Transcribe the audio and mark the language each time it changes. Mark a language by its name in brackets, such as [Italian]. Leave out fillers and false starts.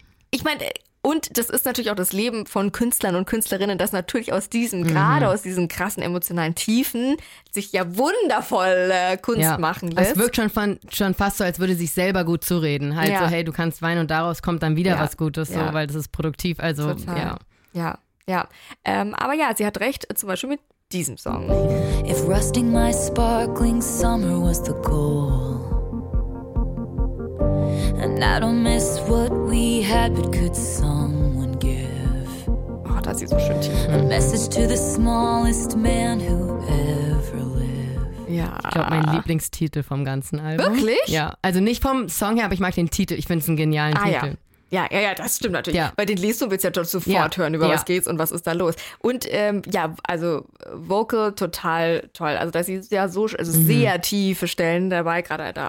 [German] Ich meine, und das ist natürlich auch das Leben von Künstlern und Künstlerinnen, dass natürlich aus diesem, gerade aus diesen krassen emotionalen Tiefen, sich ja wundervoll Kunst machen lässt. Es wirkt schon fast so, als würde sich selber gut zureden. Halt so, hey, du kannst weinen und daraus kommt dann wieder was Gutes, so, weil das ist produktiv. Also, aber ja, sie hat recht, zum Beispiel mit diesem Song. [English] If rusting my sparkling summer was the goal. And I don't miss what we had, but could someone give? [German] Oh, das sieht so schön tief. [English] A message to the smallest man who ever lived. [German] Ja. Ich glaube, mein Lieblingstitel vom ganzen Album. Wirklich? Ja, also nicht vom Song her, aber ich mag den Titel. Ich finde es einen genialen Titel. Ja. Ja, das stimmt natürlich. Ja. Weil den liest du, willst ja schon sofort hören, über was geht's und was ist da los. Und also Vocal total toll. Also da sind ja so, also sehr tiefe Stellen dabei, gerade da